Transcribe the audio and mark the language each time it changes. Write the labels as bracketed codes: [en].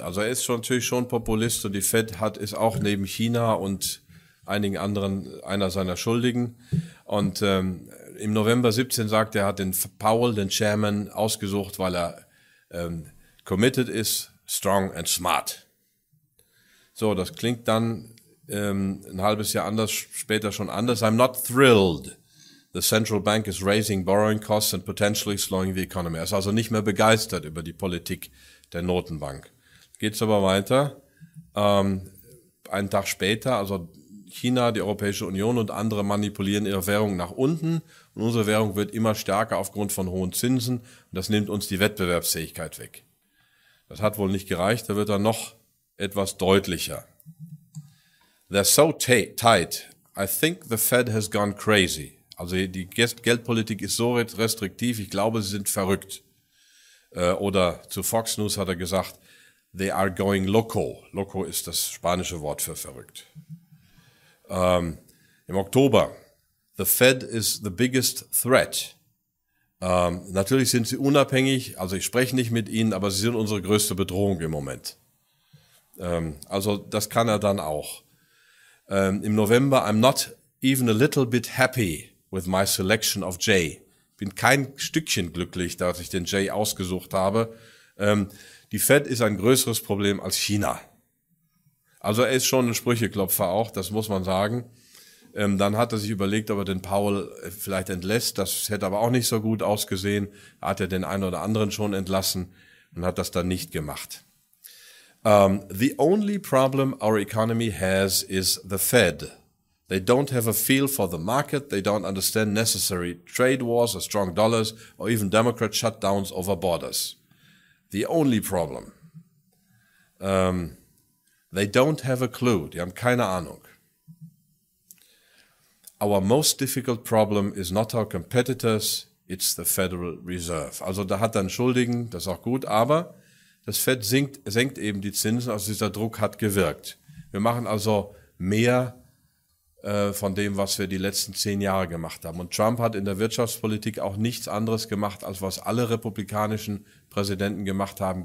[de] Also er ist schon, natürlich schon Populist und die Fed hat ist auch neben China und einigen anderen einer seiner Schuldigen. Und im November 17 sagt er, hat den Powell, den Chairman, ausgesucht, weil er committed ist, [en] strong and smart. [de] So, das klingt dann ein halbes Jahr anders, später schon anders. [en] I'm not thrilled. The central bank is raising borrowing costs and potentially slowing the economy. [de] Er ist also nicht mehr begeistert über die Politik der Notenbank. Geht's aber weiter. Einen Tag später, also China, die Europäische Union und andere manipulieren ihre Währung nach unten. Und unsere Währung wird immer stärker aufgrund von hohen Zinsen. Und das nimmt uns die Wettbewerbsfähigkeit weg. Das hat wohl nicht gereicht. Da wird er noch etwas deutlicher. [en] They're so tight. I think the Fed has gone crazy. [de] Also die Geldpolitik ist so restriktiv, ich glaube, sie sind verrückt. Oder zu Fox News hat er gesagt, [en] they are going loco. [de] Loco ist das spanische Wort für verrückt. Im Oktober, [en] the Fed is the biggest threat. [de] Natürlich sind sie unabhängig, also ich spreche nicht mit ihnen, aber sie sind unsere größte Bedrohung im Moment. Also das kann er dann auch. Im November, [en] I'm not even a little bit happy with my selection of Jay. [de] Bin kein Stückchen glücklich, dass ich den Jay ausgesucht habe. Die Fed ist ein größeres Problem als China. Also er ist schon ein Sprücheklopfer auch, das muss man sagen. Dann hat er sich überlegt, ob er den Powell vielleicht entlässt. Das hätte aber auch nicht so gut ausgesehen. Er hat ja den einen oder anderen schon entlassen und hat das dann nicht gemacht. [en] The only problem our economy has is the Fed. They don't have a feel for the market, they don't understand necessary trade wars or strong dollars or even Democrat shutdowns over borders. The only problem. They don't have a clue, [de] die haben keine Ahnung. [en] Our most difficult problem is not our competitors, it's the Federal Reserve. [de] Also da hat er einen Schuldigen, das ist auch gut, aber das Fed senkt eben die Zinsen, also dieser Druck hat gewirkt. Wir machen also mehr von dem, was wir die letzten 10 Jahre gemacht haben. Und Trump hat in der Wirtschaftspolitik auch nichts anderes gemacht, als was alle republikanischen Präsidenten gemacht haben.